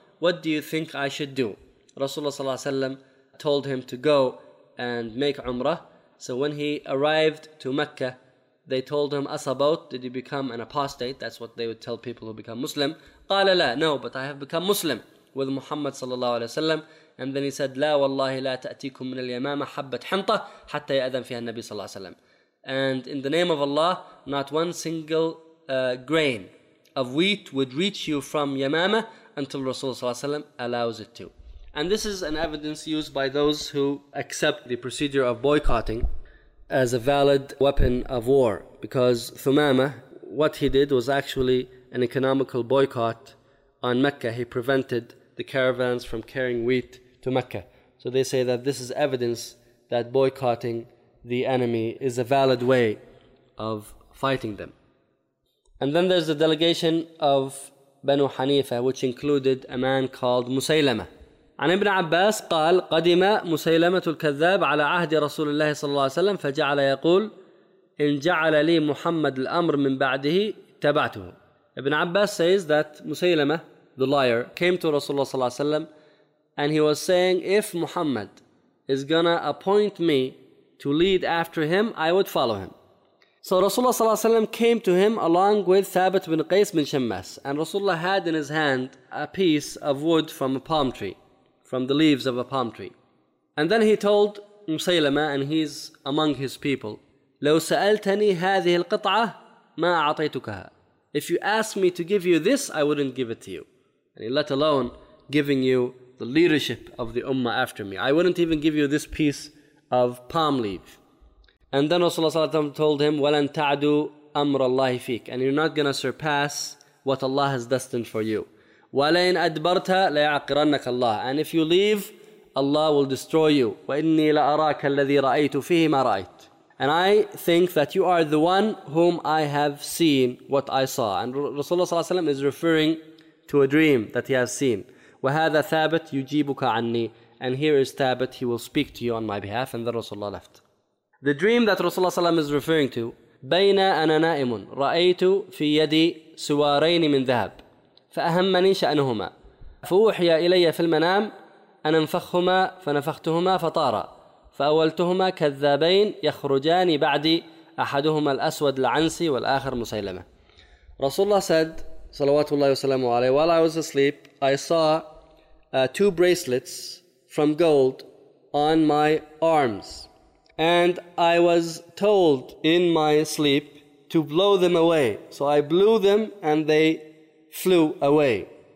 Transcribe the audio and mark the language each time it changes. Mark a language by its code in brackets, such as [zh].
[en] What do you think I should do? Rasulullah صلى الله عليه وسلم told him to go and make Umrah. So when he arrived to Mecca, they told him, "Asabot, did you become an apostate?" That's what they would tell people who become Muslim. [ar] قال لا, [en] no, but I have become Muslim with Muhammad صلى الله عليه وسلم. And then he said, [ar] لا والله لا تأتيكم من اليمامة حبة حنطة حتى يأذن فيها النبي صلى الله عليه وسلم. [en] And in the name of Allah, not one single grain of wheat would reach you from Yamama until Rasulullah صلى الله عليه وسلم allows it to. And this is an evidence used by those who accept the procedure of boycotting as a valid weapon of war, because Thumama, what he did was actually an economical boycott on Mecca. He prevented the caravans from carrying wheat to Mecca. So they say that this is evidence that boycotting the enemy is a valid way of fighting them. And then there's the delegation of Banu Hanifa, which included a man called Musaylama. [ar] عن ابن عباس قال قدم مسيلمة الكذاب على عهد رسول الله صلى الله عليه وسلم فجعل يقول إن جعل لي محمد الأمر من بعده تبعته. [en] Ibn Abbas says that Musaylama, the liar, came to Rasulullah صلى الله عليه وسلم and he was saying, "If Muhammad is gonna appoint me to lead after him, I would follow him." So Rasulullah صلى الله عليه وسلم came to him along with Thabit bin Qais bin Shammas, and Rasulullah had in his hand a piece of wood from a palm tree, from the leaves of a palm tree. And then he told Musaylama, and he's among his people, [ar] لو سألتني هذه القطعة ما أعطيتكها. [en] If you ask me to give you this, I wouldn't give it to you. And let alone giving you the leadership of the ummah after me. I wouldn't even give you this piece of palm leaf. And then Rasulullah صلى الله عليه وسلم told him, [ar] وَلَن تَعْدُوا أَمْرَ اللَّهِ فِيكَ. [en] And you're not going to surpass what Allah has destined for you. [ar] وَلَيْنْ أَدْبَرْتَ لَيَعْقِرَنَّكَ اللَّهِ. [en] And if you leave, Allah will destroy you. [ar] وَإِنِّي لَأَرَاكَ الَّذِي رَأَيْتُ فِيهِ مَا رَأَيْتُ. [en] And I think that you are the one whom I have seen what I saw. And Rasulullah صلى الله عليه وسلم is referring to a dream that he has seen. [ar] وَهَذَا ثَابَتْ يُجِيبُكَ عَنِّي. [en] And here is ثَابَتْ, he will speak to you on my behalf. And then Rasulullah left. The dream that Rasulullah صلى الله عليه وسلم is referring to, [ar] بَيْنَا أَنَا نَائِمٌ رَأَيْتُ فِي يَدِي سُوَارَيْنِ مِنْ ذَهَبْ فَأَهَمَّنِي شَأْنُهُمَا فَوُحْيَ إِلَيَّ فِي الْمَنَامِ أَنَ انْفَخْهُمَا فَنَفَخْتُهُمَا فَطَارَ فأولتهما كذابين يخرجان بعدي أحدهما الأسود العنسي والآخر مسيلمة. [en] Rasulullah said, صلوات الله وسلامه عليه, while I was asleep, I saw two bracelets from gold on my arms. And I was told in my sleep to blow them away. So I blew them and they flew away.